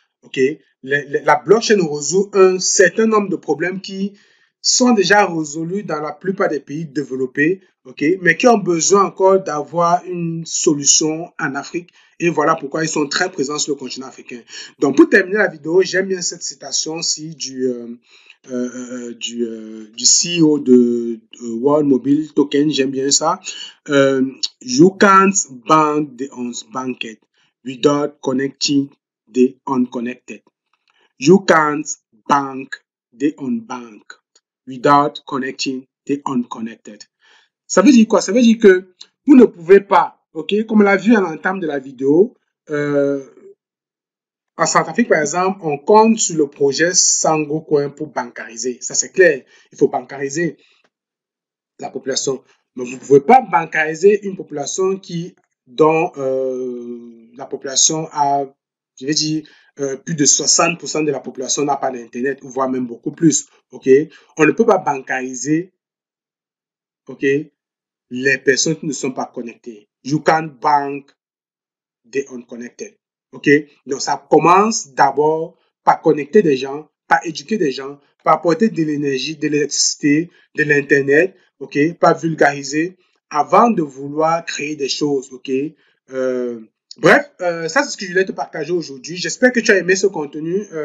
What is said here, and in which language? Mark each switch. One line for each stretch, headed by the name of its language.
French: Ok, la blockchain résout un certain nombre de problèmes qui sont déjà résolus dans la plupart des pays développés, ok, mais qui ont besoin encore d'avoir une solution en Afrique. Et voilà pourquoi ils sont très présents sur le continent africain. Donc, pour terminer la vidéo, j'aime bien cette citation-ci du CEO de WorldMobiToken. J'aime bien ça.
English: You can't bank the unbanked without connecting the unconnected. You can't bank the unbanked without connecting the unconnected.
French: Ça veut dire quoi? Ça veut dire que vous ne pouvez pas, ok, comme on l'a vu à l'entame de la vidéo, en Centrafrique, par exemple, on compte sur le projet Sangocoin pour bancariser. Ça, c'est clair. Il faut bancariser la population. Mais vous ne pouvez pas bancariser une population dont la population a, je vais dire, plus de 60% de la population n'a pas d'Internet, voire même beaucoup plus. Ok, on ne peut pas bancariser, ok, les personnes qui ne sont pas connectées.
English: You can't bank the unconnected. OK?
French: Donc, ça commence d'abord par connecter des gens, par éduquer des gens, par apporter de l'énergie, de l'électricité, de l'Internet, OK? Par vulgariser avant de vouloir créer des choses, OK? Bref, ça, c'est ce que je voulais te partager aujourd'hui. J'espère que tu as aimé ce contenu.